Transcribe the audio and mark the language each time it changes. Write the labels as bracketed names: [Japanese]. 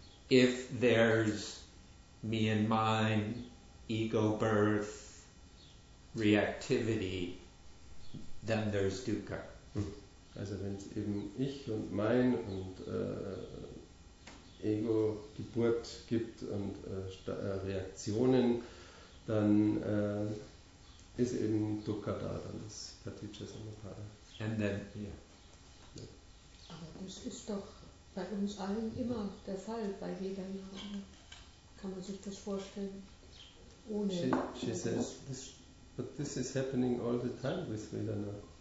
[English] If there's me and mine, ego birth, reactivity, then there's Dukkha. [German] Also wenn es eben ich und mein und Ego-Geburt gibt und Reaktionen, dann ist eben Dukkha da, dann ist Paticca Samuppada. [English] And then, yeah. [German] Aber das ist doch bei uns allen immer der Fall, bei jeder. Kann man sich das vorstellen? Ohne. [English] She says, but this is happening all the time with Vedana.